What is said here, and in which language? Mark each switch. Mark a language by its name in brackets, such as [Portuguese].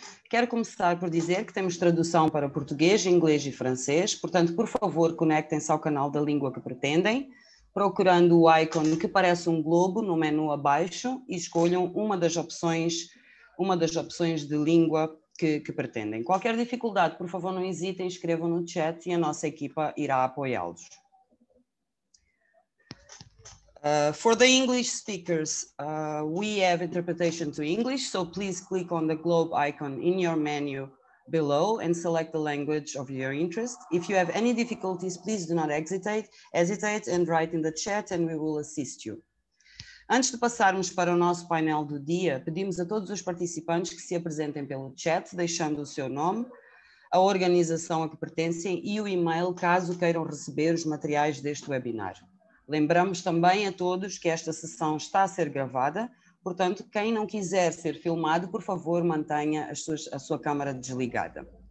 [Portuguese] Quero começar por dizer que temos tradução para português, inglês e francês, portanto, por favor, conectem-se ao canal da língua que pretendem, procurando o ícone que parece um globo no menu abaixo e escolham uma das opções de língua que pretendem. Qualquer dificuldade, por favor, não hesitem, escrevam no chat e a nossa equipa irá apoiá-los. [English] For the English speakers, we have interpretation to English, so please click on the globe icon in your menu below and select the language of your interest. If you have any difficulties, please do not hesitate and write in the chat and we will assist you. [Portuguese] Antes de passarmos para o nosso painel do dia, pedimos a todos os participantes que se apresentem pelo chat, deixando o seu nome, a organização a que pertencem e o e-mail caso queiram receber os materiais deste webinar. Lembramos também a todos que esta sessão está a ser gravada, portanto, quem não quiser ser filmado, por favor, mantenha a sua câmara desligada.